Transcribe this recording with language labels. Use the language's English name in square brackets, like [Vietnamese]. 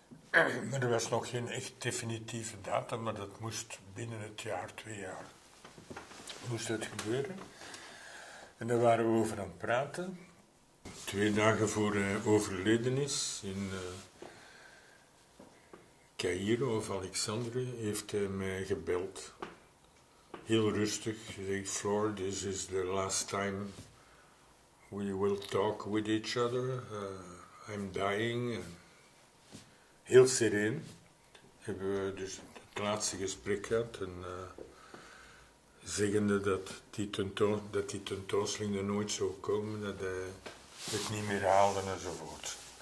[Dutch] Maar er was nog geen echt definitieve datum, maar dat moest binnen het jaar, 2 jaar, moest het gebeuren. En daar waren we over aan het praten. 2 dagen voor hij overleden is, in Cairo of Alexandrië, heeft hij mij gebeld. Heel rustig, zei [English] Floor, this is the last time we will talk with each other. I'm dying. [Dutch] Heel sereen hebben we dus het laatste gesprek gehad. En zeggende dat die tentoonstelling er nooit zou komen, dat hij het niet meer haalde enzovoort.